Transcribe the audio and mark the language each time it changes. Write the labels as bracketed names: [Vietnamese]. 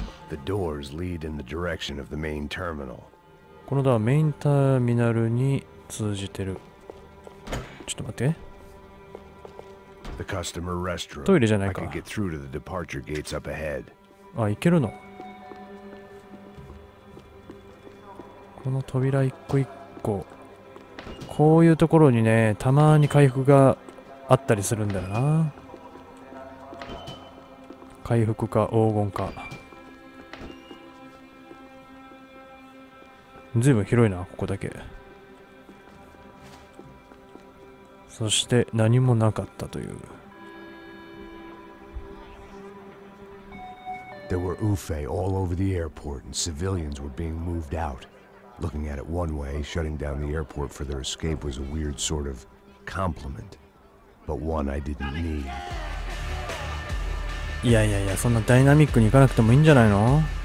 [English] The doors lead in the direction of the main terminal. [Japanese] このドアはメインターミナルに通じてる。ちょっと待って。 [English] The restroom. [Japanese] トイレじゃないか。 [English] I can get through to the departure gates up ahead. [Japanese] あ、行けるの。この扉一個一個。こういうところにね、たまに回復があったりするんだよな。回復か黄金か。ずいぶん広いな、ここだけ。そして何もなかったという。 [English] There were Ufe all over the airport and civilians were being moved out. Looking at it one way, shutting down the airport for their escape was a weird sort of compliment, but one I didn't need. [Japanese] いやいやいや、そんなダイナミックに行かなくてもいいんじゃないの。